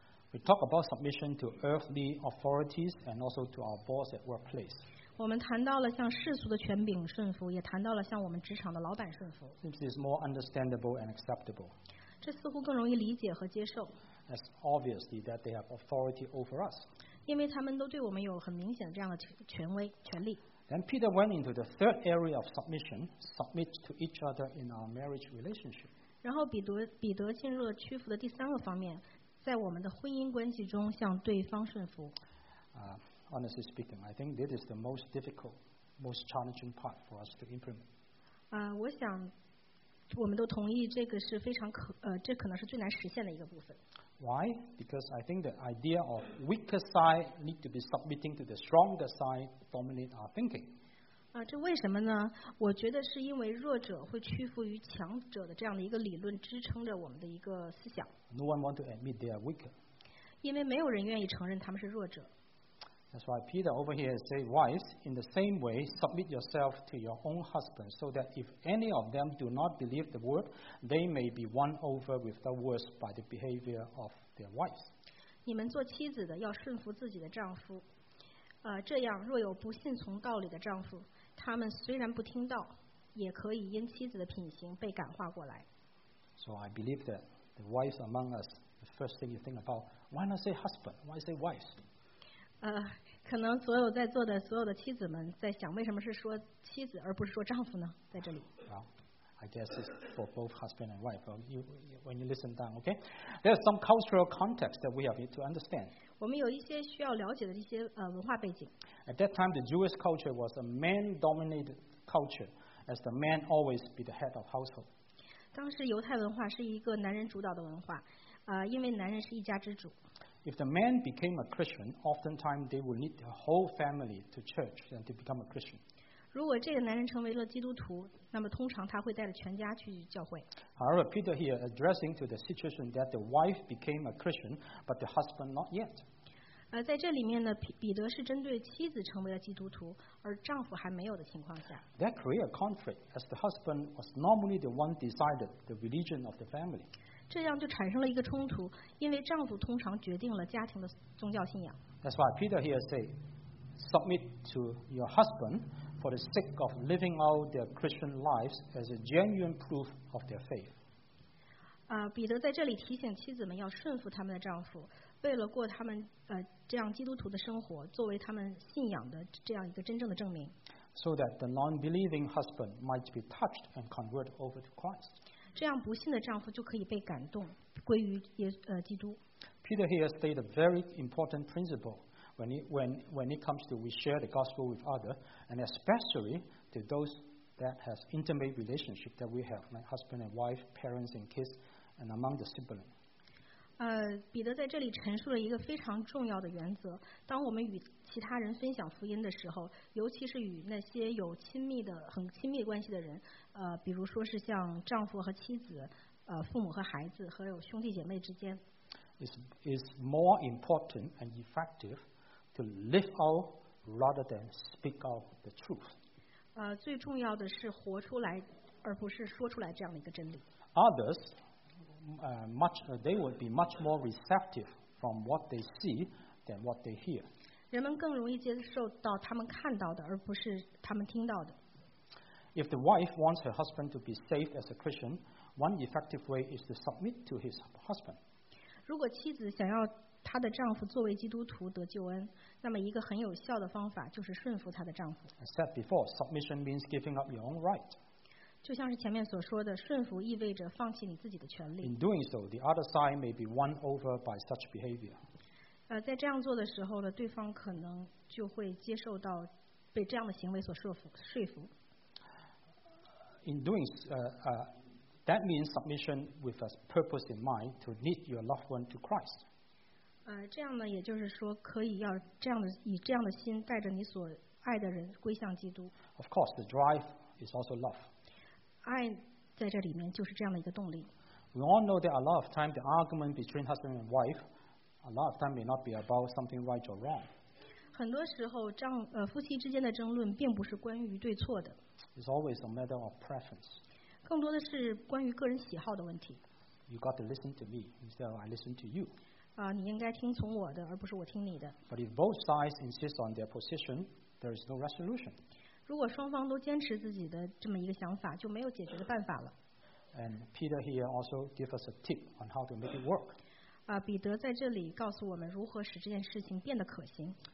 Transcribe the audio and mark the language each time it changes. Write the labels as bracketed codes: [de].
[en] We talk about submission to earthly authorities and also to our boss at workplace. [zh] 我们谈到了向世俗的权柄顺服，也谈到了向我们职场的老板顺服。 [en] This is more understandable and acceptable. [zh] 这似乎更容易理解和接受。 [en] As obviously that they have authority over us. [zh] 因为他们都对我们有很明显的这样的权威、权力。 [en] Then Peter went into the third area of submission, submit to each other in our marriage relationship. [zh] 然后彼得进入了屈服的第三个方面，在我们的婚姻关系中向对方顺服。 [en] Honestly speaking, I think this is the most difficult, most challenging part for us to implement. [zh] 我想我们都同意这个是非常可这可能是最难实现的一个部分。 [en] Why? Because I think the idea of weaker side need to be submitting to the stronger side dominate our thinking. [zh] 这为什么呢？我觉得是因为弱者会屈服于强者的这样的一个理论支撑着我们的一个思想。 [en] No one want to admit they are weaker. [zh] 因为没有人愿意承认他们是弱者。 [en] That's why Peter over here says, wives, in the same way, submit yourself to your own husband, so that if any of them do not believe the word, they may be won over with the words by the behavior of their wives. [zh] 你们做妻子的要顺服自己的丈夫，这样若有不信从道理的丈夫，他们虽然不听道，也可以因妻子的品行被感化过来。 [en] So I believe that the wives among us, the first thing you think about, why not say husband? Why say wives? [zh] 可能所有在座的所有的妻子们在想，为什么是说妻子而不是说丈夫呢？在这里。 [en] Well, I guess it's for both husband and wife. When you listen down, okay? There's some cultural context that we have to understand. [zh] 我们有一些需要了解的一些文化背景。 [en] At that time, the Jewish culture was a man-dominated culture, as the man always be the head of household. [zh] 当时犹太文化是一个男人主导的文化，因为男人是一家之主。 [en] If the man became a Christian, oftentimes they would lead their whole family to church and to become a Christian. [zh] 如果这个男人成为了基督徒，那么通常他会带着全家去教会。 [en] However, Peter here addressing to the situation that the wife became a Christian, but the husband not yet. [zh] 在这里面呢，彼得是针对妻子成为了基督徒，而丈夫还没有的情况下。 [en] That created a conflict, as the husband was normally the one decided the religion of the family. [zh] 这样就产生了一个冲突，因为丈夫通常决定了家庭的宗教信仰。 [en] That's why Peter here say, submit to your husband for the sake of living out their Christian lives as a genuine proof of their faith. [zh] 彼得在这里提醒妻子们要顺服他们的丈夫，为了过他们这样基督徒的生活，作为他们信仰的这样一个真正的证明。 [en] So that the non-believing husband might be touched and converted over to Christ. [zh] 这样不信的丈夫就可以被感动归于基督。 [en] Peter here stated a very important principle when it comes to we share the gospel with others and especially to those that has intimate relationship that we have like husband and wife, parents and kids and among the siblings. [zh] 彼得在这里陈述了一个非常重要的原则，当我们与其他人分享福音的时候，尤其是与那些有亲密的很亲密关系的人，比如说是像丈夫和妻子，父母和孩子，还有兄弟姐妹之间。 [en] It's more important and effective to live out rather than speak out the truth. [zh] 最重要的是活出来，而不是说出来这样的一个真理。 [en] Others, they would be much more receptive from what they see than what they hear. [zh] 人们更容易接受到他们看到的，而不是他们听到的。 [en] If the wife wants her husband to be saved as a Christian, one effective way is to submit to his husband. [zh] 如果妻子想要她的丈夫作为基督徒得救恩，那么一个很有效的方法就是顺服她的丈夫。 [en] As said before, submission means giving up your own right. [zh] 就像是前面所说的，顺服意味着放弃你自己的权利。 [en] In doing so, the other side may be won over by such behavior. [zh] 在这样做的时候呢，对方可能就会接受到被这样的行为所说服。 [en] In doing, that means submission with a purpose in mind to lead your loved one to Christ. [zh] 这样呢，也就是说，可以要这样的以这样的心带着你所爱的人归向基督。 [en] Of course, the drive is also love. [zh] 爱在这里面就是这样的一个动力。 [en] We all know that a lot of time the argument between husband and wife. A lot of time may not be about something right or wrong. [zh] 很多时候，夫妻之间的争论并不是关于对错的。 [en] It's always a matter of preference. [zh] 更多的是关于个人喜好的问题。 [en] You got to listen to me instead of I listen to you. [zh] 你应该听从我的，而不是我听你的。 [en] But if both sides insist on their position, there is no resolution. [zh] 如果双方都坚持自己的这么一个想法，就没有解决的办法了。 [en] And Peter here also gives us a tip on how to make it work. [zh] 彼得在这里告诉我们如何使这件事情变得可行。